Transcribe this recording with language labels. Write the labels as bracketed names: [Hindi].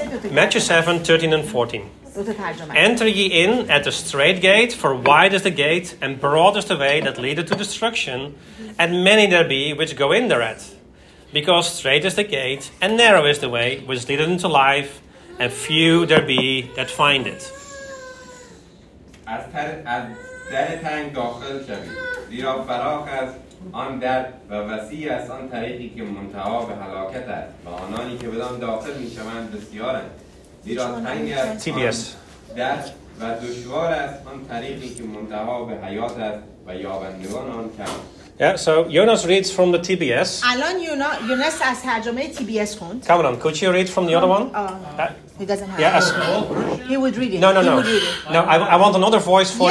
[English] Matthew 7, 13 and 14. Enter ye in at the straight gate, for wide is the gate, and broad is the way that leadeth to destruction, and many there be which go in thereat. Because straight is the gate, and narrow is the way which leadeth into life, and few there be that find it. [Persian] از در تنگ داخل شوید، زیرا فراخ است آن در و وسیع از آن طریقی که منتها به هلاکت است و آنانی که بدان داخل می شوند بسیارند زیرا تنگ است آن در و دشوار است آن طریقی که منتها به حیات است و یابندگان آن کم. [English] Yeah, so Jonas reads from the TBS. Alan, Jonas has [Persian] ترجمه TBS خوند. [English] Cameron, could you read from the other one? He doesn't have. Yeah, he would read it. No, no, he no. Would read it. No, I want another voice for